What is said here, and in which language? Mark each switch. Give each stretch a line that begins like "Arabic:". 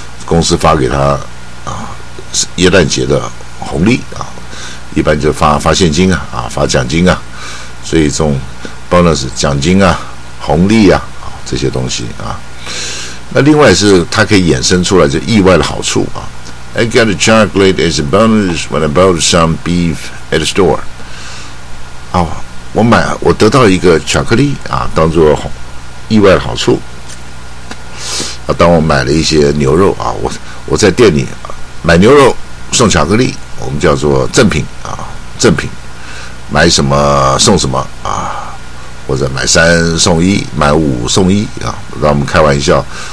Chinese: 公司发给他啊，耶诞节的红利啊，一般就发现金啊，啊发奖金啊，所以这种 bonus 奖金啊、红利 啊这些东西啊，那另外是它可以衍生出来就意外的好处啊。
English: I got a chocolate as a bonus when I bought some beef at the store.
Chinese: 哦，我买，我得到一个巧克力啊，当做意外的好处。啊，当我买了一些牛肉啊，我在店里买牛肉送巧克力，我们叫做赠品啊，赠品。买什么送什么啊，或者买三送一，买五送一啊，让我们开玩笑。